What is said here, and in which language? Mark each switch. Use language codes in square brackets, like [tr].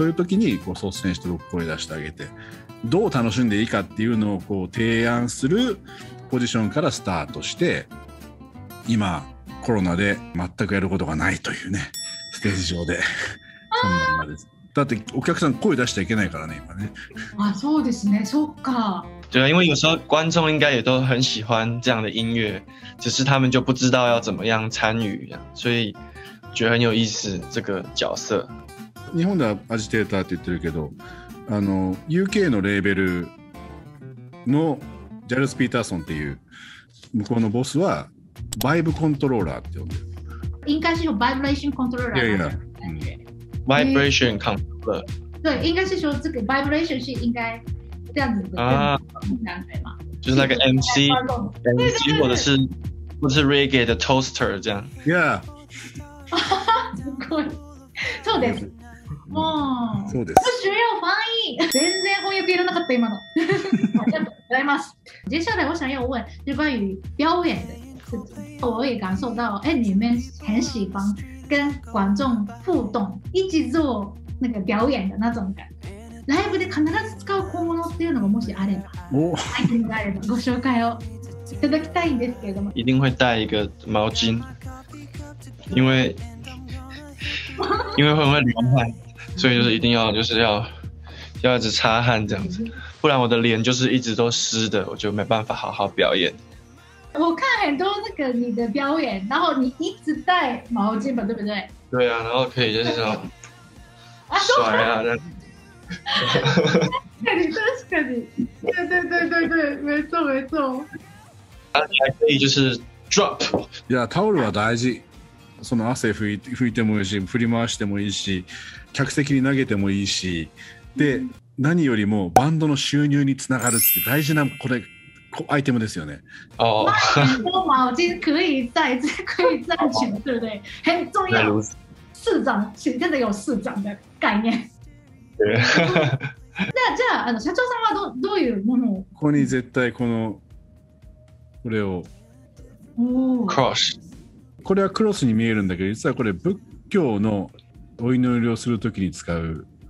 [ja] そういう時にこう率先して僕声出してあげて、どう楽しんでいいかっていうのをこう提案するポジションからスタートして、今コロナで全くやることがないというね、ステージ上で。そんなまです。だってお客さん声出しちゃいけないからね、今ね。あ、そうですね、そっか。 [zh] 对啊，因为有时候观众应该也都很喜欢这样的音乐，只是他们就不知道要怎么样参与，所以觉得很有意思这个角色。 [ja] 日本ではアジテーターって言ってるけど、あの UK のレーベルのジャルス・ピーターソンっていう向こうのボスは、バイブコントローラーって呼んでる。 [zh] 应该是有 vibration controller。 [ja] いやいや、 [en] vibration controller。 [zh] 对，应该是说这个 vibration 是应该这样子的。啊，对吗？就是那个 MC，对对对，或者是 reggae 的 toaster 这样。 [en] Yeah。 [ja] すごい。そうです。もう。そうです。 [zh] 需要翻译。 [ja] 全然翻訳いらなかった今の。ありがとうございます。 [zh] 接下来我想要问日本语表演的。我也感受到，哎，你们很喜欢跟观众互动，一起做那个表演的那种感觉。 [ja] ライブで必ず使う小物っていうのがもしあれば、おアイテムがあればご紹介をいただきたいんですけれども、 [zh] 一定会带一个毛巾，因为因为会不会流汗，所以就是一定要就是要要一直擦汗这样子，不然我的脸就是一直都湿的，我就没办法好好表演。我看很多那个你的表演，然后你一直带毛巾吧，对不对？对啊，然后可以就是这种甩啊，对对对对对对，没错没错。啊，还可以就是 drop， [ja] いやタオルは大事。その汗拭いてもいいし、振り回してもいいし、客席に投げてもいいし。で、何よりもバンドの収入につながるって大事なこれこアイテムですよね。ああ。 [zh] 毛巾可以带，这可以赚钱，对不对？很重要。市长真的有市长的概念。 [ja] 那じゃあ、あの社長さんはどういうものを？ここに絶対このこれを。おお。クロス。これはクロスに見えるんだけど、実はこれ仏教のお祈りをするときに使う。